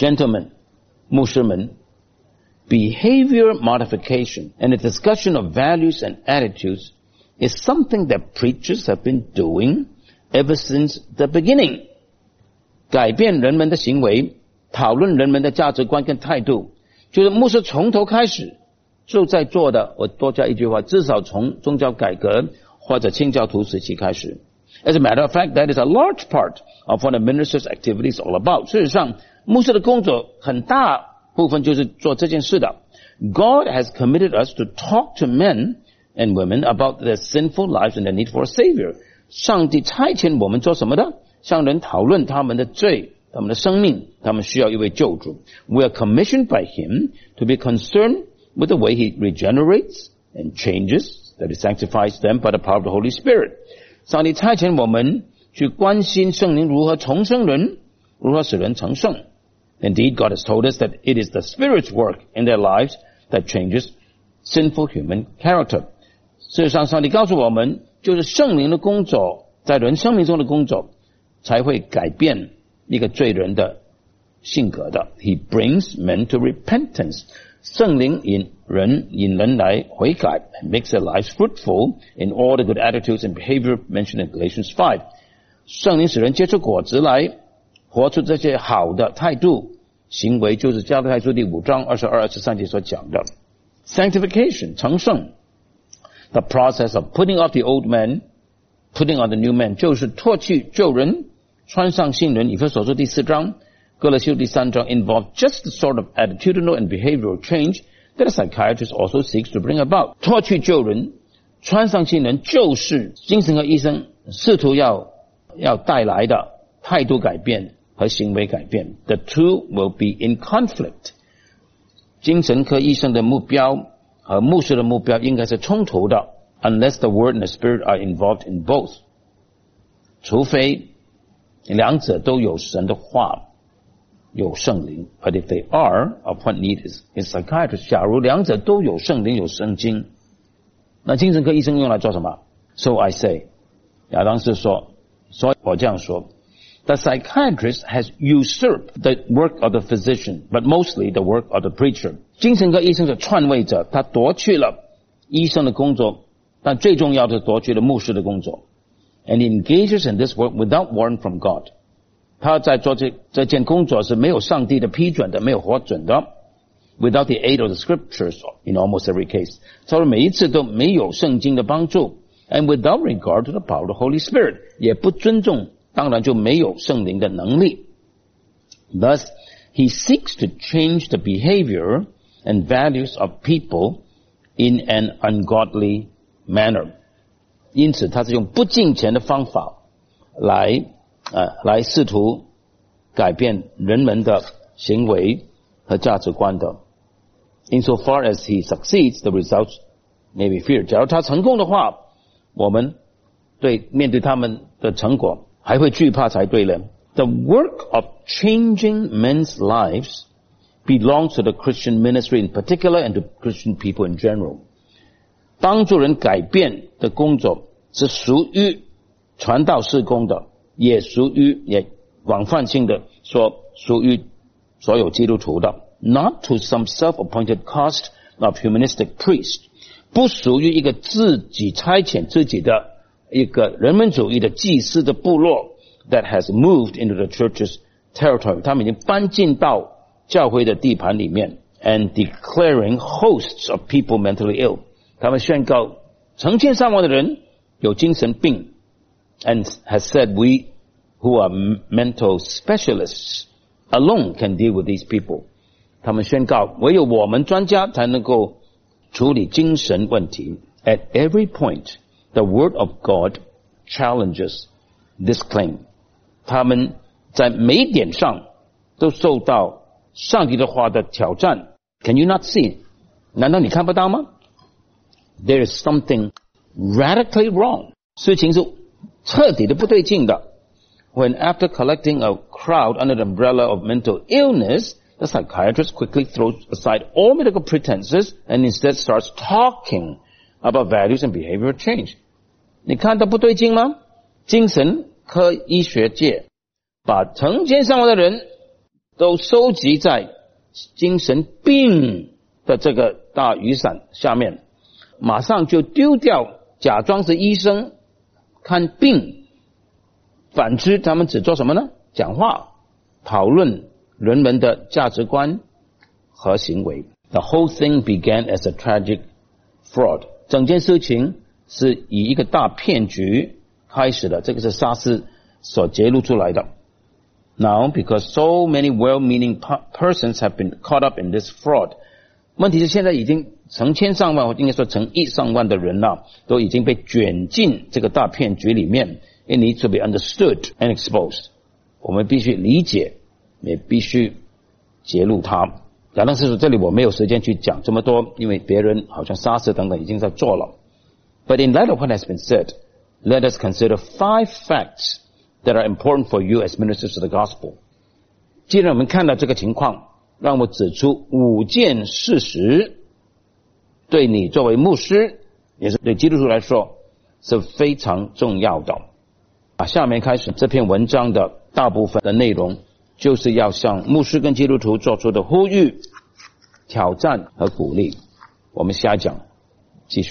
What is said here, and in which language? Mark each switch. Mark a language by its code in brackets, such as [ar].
[en] Gentlemen， [zh] 牧师们， [en] Behavior modification and a discussion of values and attitudes is something that preachers have been doing ever since the beginning。 [zh] 改变人们的行为，讨论人们的价值观跟态度，就是牧师从头开始就在做的。我多加一句话，至少从宗教改革或者清教徒时期开始。 [en] As a matter of fact, that is a large part of what a minister's activity is all about。 [zh] 事实上牧师的工作很大部分就是做这件事的。 [en] God has committed us to talk to men and women about their sinful lives and their need for a savior。 [zh] 上帝差遣我们做什么的？向人讨论他们的罪、他们的生命、他们需要一位救主。 [en] We are commissioned by him to be concerned with the way he regenerates and changes that it sanctifies them by the power of the Holy Spirit。 [zh] 上帝差遣我们去关心圣灵如何重生人，如何使人成圣。 [en] Indeed, God has told us that it is the Spirit's work in their lives that changes sinful human character。 [zh] 事实上上帝告诉我们，就是圣灵的工作，在人生命中的工作，才会改变一个罪人的性格的。 [en] He brings men to repentance。 [zh] 圣灵引人来悔改， [en] makes their lives fruitful in all the good attitudes and behavior mentioned in Galatians 5。 [zh] 圣灵使人结出果子来，活出这些好的态度行为，就是加拉太书第五章22、23节所讲的。 [en] sanctification, [zh] 成圣。 [en] The process of putting off the old man, putting on the new man, [zh] 就是脱去旧人，穿上新人。以弗所书第四章，哥罗西第三章 [en] involve just the sort of attitudinal and behavioral change that a psychiatrist also seeks to bring about. [zh] 脱去旧人，穿上新人，就是精神科医生试图要带来的态度改变和行为改变。 [en] The two will be in conflict. [zh] 精神科医生的目标和牧师的目标应该是冲突的， [en] unless the word and the spirit are involved in both. [zh] 除非两者都有神的话，有圣灵。 [en] But if they are of what need is in psychiatrist, [zh] 假如两者都有圣灵，有圣经，那精神科医生用来做什么？ [en] So I say, [zh] 亚当斯说，所以我这样说， [en] The psychiatrist has usurped the work of the physician, but mostly the work of the preacher. [zh] 精神科医生是篡位者，他夺去了医生的工作，但最重要的夺去了牧师的工作。 [en] And he engages in this work without warrant from God. [zh] 他在做 这件工作是没有上帝的批准的，没有核准的。 [en] Without the aid of the scriptures in almost every case. [zh] 他说每一次都没有圣经的帮助。 [en] And without regard to the power of the Holy Spirit, [zh] 也不尊重，当然就没有圣灵的能力。 [en] Thus, he seeks to change the behavior and values of people in an ungodly manner. [zh] 因此他是用不敬虔的方法来试图改变人们的行为和价值观的。 [en] Insofar as he succeeds, the results may be feared. [zh] 假如他成功的话，我们对面对他们的成果还会惧怕才对呢。 [en] The work of changing men's lives belongs to the Christian ministry in particular and to Christian people in general. [zh] 帮助人改变的工作是属于传道事工的，也属于，也广泛性的说属于所有基督徒的。 [en] Not to some self-appointed caste of humanistic priest, [zh] 不属于一个自己差遣自己的一个人文主义的祭司的部落 [en] that has moved into the church's territory. [zh] 他们已经搬进到教会的地盘里面 [en] and declaring hosts of people mentally ill. [zh] 他们宣告成千上万的人有精神病 [en] and has said we who are mental specialists alone can deal with these people. [zh] 他们宣告唯有我们专家才能够处理精神问题。 [en] At every point the word of God challenges this claim. [zh] 他们在每点上都受到上帝的话的挑战。 [en] Can you not see? [zh] 难道你看不到吗？ [en] There is something radically wrong. [zh] 事情是彻底的不对劲的。 [en] When after collecting a crowd under the umbrella of mental illnessThe psychiatrist quickly throws aside all medical pretenses and instead starts talking about values and behavioral change. [zh] 你看到不对劲吗？精神科医学界把成千上万的人都收集在精神病的这个大雨伞下面，马上就丢掉假装是医生看病，反之他们只做什么呢？讲话讨论人们的价值观和行为。 [en] The whole thing began as a tragic fraud. [zh] 整件事情是以一个大骗局开始的，这个是沙斯所揭露出来的。 [en] Now, because so many well-meaning persons have been caught up in this fraud, [zh] 问题是现在已经成千上万，应该说成亿上万的人了，都已经被卷进这个大骗局里面。 [en] It needs to be understood and exposed. [zh] 我们必须理解也必须揭露他。亚当斯说，这里我没有时间去讲这么多，因为别人好像沙斯等等已经在做了。 [en] But in light of what has been said, let us consider five facts that are important for you as ministers of the gospel. [zh] 既然我们看到这个情况，让我指出五件事实对你作为牧师也是对基督徒来说是非常重要的。下面开始这篇文章的大部分的内容，就是要向牧师跟基督徒做出的呼吁、挑战和鼓励。我们下讲继续。